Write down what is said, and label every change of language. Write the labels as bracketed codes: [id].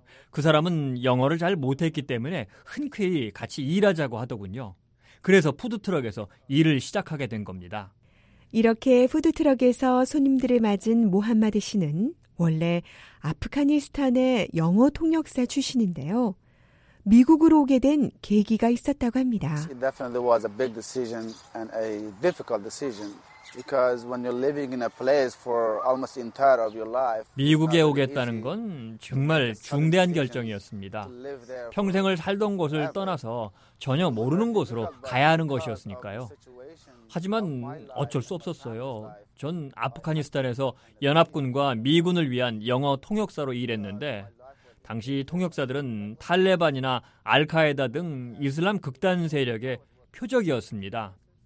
[ko] 그 사람은 영어를 잘 못했기 때문에 흔쾌히 같이 일하자고 하더군요. 그래서 푸드트럭에서 일을 시작하게 된 겁니다. 이렇게 푸드트럭에서 손님들을 맞은 모함마드 씨는 원래 아프가니스탄의 영어 통역사 출신인데요. 미국으로 오게 된 계기가 있었다고 합니다. [en] It definitely was a big decision and a difficult decision because when you're living in a place for almost entire of your life. [ko] 미국에 오겠다는 건 정말 중대한 결정이었습니다. 평생을 살던 곳을 떠나서 전혀 모르는 곳으로 가야 하는 것이었으니까요. 하지만 어쩔 수 없었어요. 전 아프가니스탄에서 연합군과 미군을 위한 영어 통역사로 일했는데 당시 통역사들은 탈레반이나 알카에다 등 이슬람 극단 세력의 표적이었습니다.